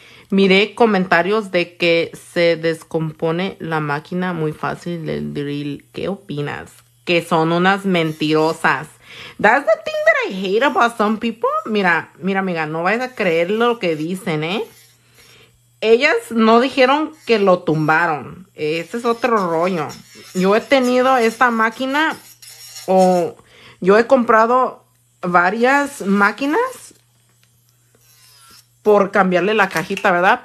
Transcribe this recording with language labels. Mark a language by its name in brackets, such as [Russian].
[Spanish] Miré comentarios de que se descompone la máquina muy fácil del drill. ¿Qué opinas? Que son unas mentirosas. [English] That's the thing that I hate about some people. [Spanish] Mira, mira, amiga, no vayas a creer lo que dicen, ¿eh? Ellas no dijeron que lo tumbaron. Ese es otro rollo. Yo he tenido esta máquina o yo he comprado varias máquinas por cambiarle la cajita, ¿verdad?